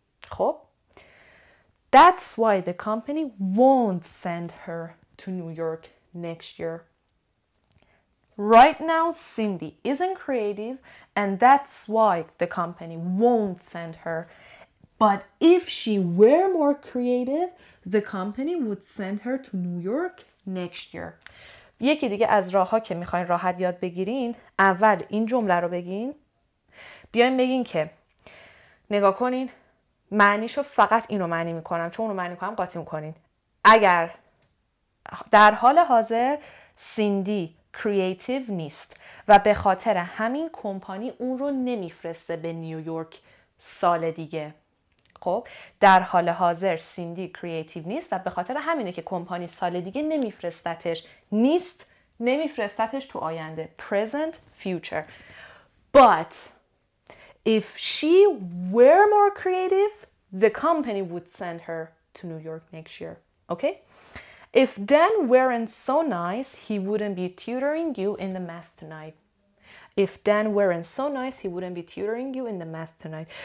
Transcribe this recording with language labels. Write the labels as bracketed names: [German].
[English] خب؟ That's why the company won't send her to New York next year. Right now, Cindy isn't creative, and that's why the company won't send her. But if she were more creative, the company would send her to New York next year. [Persian] یکی دیگه از راه ها که میخواین راحت یاد بگیرین، اول این جمله رو بگین، بیاین بگین که نگاه کنین معنیشو، فقط اینو معنی میکنم چون اونو معنی کنم قاطی میکنین. اگر در حال حاضر سیندی کریتیو نیست و به خاطر همین کمپانی اون رو نمیفرسته به نیویورک سال دیگه، خب در حال حاضر سیندی کریتیو نیست و به خاطر همینه که کمپانی سال دیگه نمیفرستتش، نیست نمیفرستتش تو آینده، [English] present future. But if she were more creative, the company would send her to New York next year. Okay? If Dan weren't so nice, he wouldn't be tutoring you in the math tonight. If Dan weren't so nice, he wouldn't be tutoring you in the math tonight.